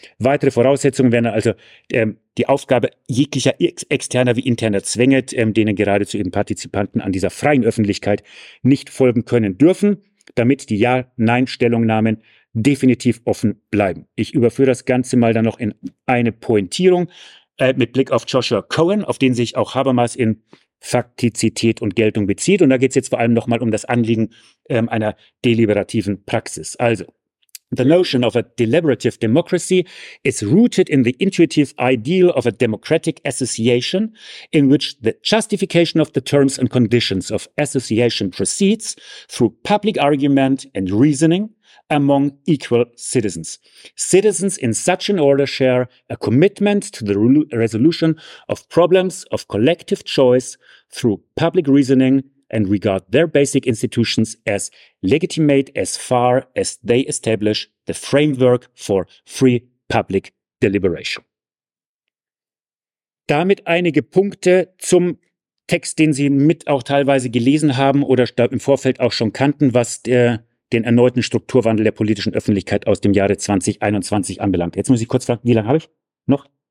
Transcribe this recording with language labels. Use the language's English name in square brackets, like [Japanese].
[German] Weitere Voraussetzungen wären also die Aufgabe jeglicher externer wie interner Zwänge, denen geradezu eben Partizipanten an dieser freien Öffentlichkeit nicht folgen können dürfen, damit die Ja-Nein-Stellungnahmen definitiv offen bleiben. Ich überführe das Ganze mal dann noch in eine Pointierung mit Blick auf Joshua Cohen, auf den sich auch Habermas in Faktizität und Geltung bezieht. Und da geht es jetzt vor allem nochmal um das Anliegen einer deliberativen Praxis. [English] Also, the notion of a deliberative democracy is rooted in the intuitive ideal of a democratic association in which the justification of the terms and conditions of association proceeds through public argument and reasoning among equal citizens. Citizens in such an order share a commitment to the resolution of problems of collective choice through public reasoning and regard their basic institutions as legitimate as far as they establish the framework for free public deliberation. [German] Damit einige Punkte zum Text, den Sie mit auch teilweise gelesen haben oder im Vorfeld auch schon kannten, was den erneuten Strukturwandel der politischen Öffentlichkeit aus dem Jahre 2021 anbelangt. Jetzt muss ich kurz fragen, wie lange habe ich noch?